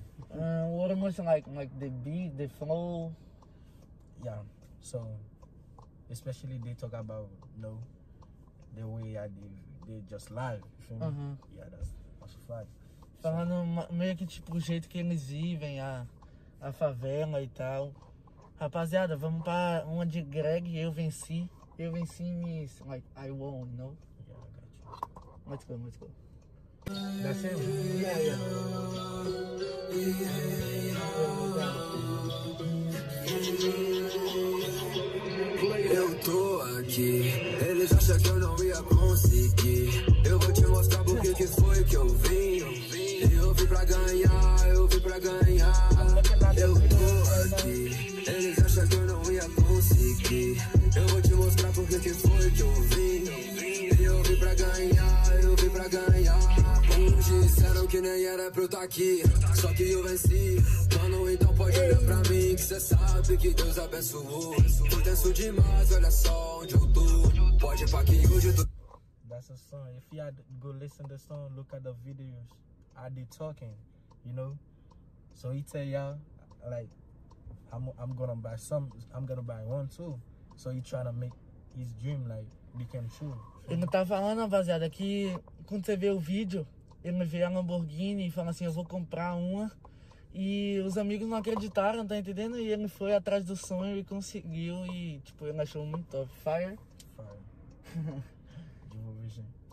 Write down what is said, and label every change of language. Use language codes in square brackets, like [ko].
[en] What emotion like? Like the beat, the flow? Yeah, so especially they talk about, you know, the way they just live, you feel me? Uh-huh. Yeah, that's a fact. [pt] Falando meio que tipo o jeito que eles vivem, a favela e tal. Rapaziada, vamos pra uma de Greg, eu venci. Eu venci em Miss, [en] like, I won, you know? Yeah, I got you. Let's go, let's go. That's it? Yeah. [pt] Eu tô aqui, eles acham que eu não ia conseguir. Eu vou te mostrar porque que foi que eu vim. Eu vim pra ganhar, eu vim pra ganhar. Eu tô aqui, eles acham que eu não ia conseguir. Eu vou te mostrar porque que foi que eu vim. Eu vim pra ganhar, eu vim pra ganhar. Uns disseram que nem era pra eu estar aqui, só que eu venci. Então pode olhar pra mim, que cê sabe que Deus abençoou. Tô tenso demais, olha só onde eu tô. Pode ir pra que hoje tu... [en] That's a song. If you go listen to the song, look at the videos. Are they talking, you know? So he tell y'all, like, I'm gonna buy some, I'm gonna buy one too. So he trying to make his dream, like, became true. [pt] Ele não tá falando, rapaziada, que quando você vê o vídeo, ele vê a Lamborghini e fala assim, eu vou comprar uma. E os amigos não acreditaram, tá entendendo? E ele foi atrás do sonho e conseguiu. E tipo, ele achou muito top. [en] Fire? Fire. [pt] De uma vez, gente.